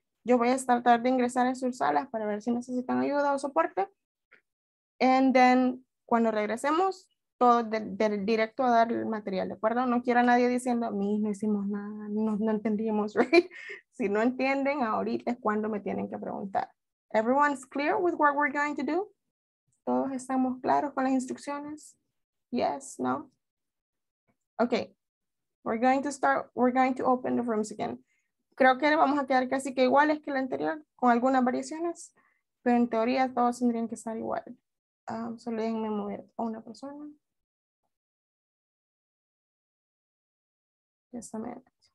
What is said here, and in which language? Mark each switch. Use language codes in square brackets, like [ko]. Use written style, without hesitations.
[es] Yo voy a tratar de ingresar en sus salas para ver si necesitan ayuda o soporte. [en] And then, [es] cuando regresemos, todo del directo a dar el material, ¿de acuerdo? No quiero a nadie diciendo, a mí no hicimos nada, no entendimos, right? Si no entienden, ahorita es cuando me tienen que preguntar. [en] Everyone's clear with what we're going to do? [es] ¿Todos estamos claros con las instrucciones? [en] Yes, no? Okay, we're going to start, we're going to open the rooms again. [es] Creo que vamos a quedar casi que iguales que la anterior, con algunas variaciones, pero en teoría todos tendrían que estar igual. Solo déjenme mover a una persona. [en] Just a minute.